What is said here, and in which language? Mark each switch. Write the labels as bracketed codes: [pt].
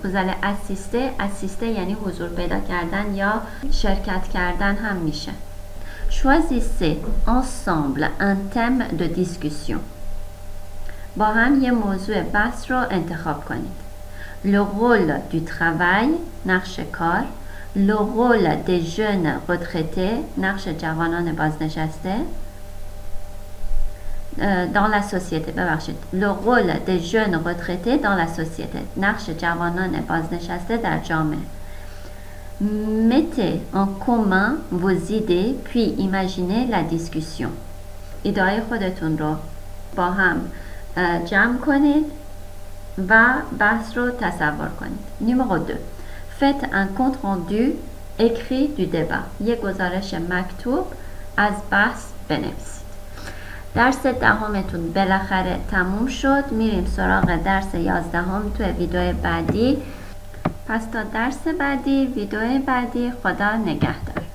[fr] vous allez assister [fa] یعنی حضور پیدا کردن یا شرکت کردن هم میشه. [fr] Choisissez ensemble un thème de discussion. [fa] با هم یه موضوع بحث رو انتخاب کنید. [fr] Le rôle du travail، [fa] نقش کار. [fr] Le rôle des jeunes retraités، [fa] نقش جوانان بازنشسته. [fr] Dans la société، [fa] ببخشید. [fr] Le rôle des jeunes retraités dans la société، [fa] نقش جوانان بازنشسته در جامعه. [fr] Mettez en commun vos idées puis imaginez la discussion. [fa] ایده‌های خودتون رو با هم جمع کنید و بحث رو تصور کنید. نمبر 2. [fr] Faites un compte rendu écrit du débat. [fa] یک گزارش مکتوب از بحث بنویسید. درس دهمتون بالاخره تموم شد. میریم سراغ درس یازدهم توی ویدئوی بعدی. پس تا درس بعدی، ویدئوی بعدی، خدا نگهدار.